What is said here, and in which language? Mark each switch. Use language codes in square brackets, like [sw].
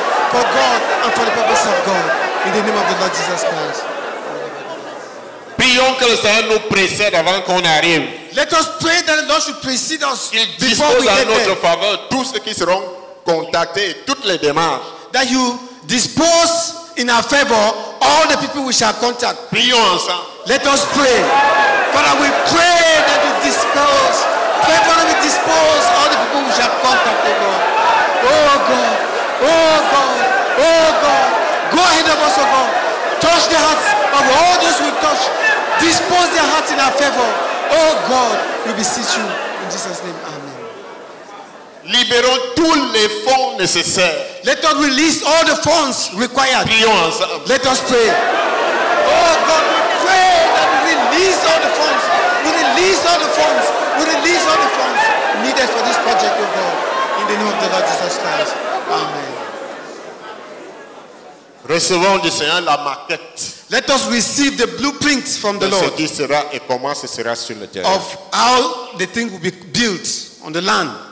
[en] For God and for the purpose of God. In the name of the Lord Jesus Christ. [fr] Prions que le Seigneur nous précède avant qu'on arrive. [en] Let us pray that the Lord should precede us. [fr] Il dispose en notre faveur tous ceux qui seront contactés et toutes les démarches. [en] That you dispose in our favor all the people we shall contact. [fr] Prions ensemble. [en] Let us pray. Father, we pray that you dispose. Pray for that we dispose all the people we shall contact, oh God. Oh God. Oh God, oh God, go ahead of us, oh God. Touch the hearts of all those we touch. Dispose their hearts in our favor. Oh God, we beseech you in Jesus' name. Amen. [fr] Libérons tous les fonds nécessaires. [en] Let us release all the funds required. [fr] Prions. [en] Let us pray. Oh God, we pray that we release all the funds. We release all the funds. We release all the funds needed for this project, oh God. In the name of the Lord Jesus Christ. Amen. [fr] Recevons du Seigneur la maquette. [en] Let us receive the blueprint from the Lord. [fr] Ce qui sera et comment ce sera sur le terrain. [en] Of how the thing will be built on the land.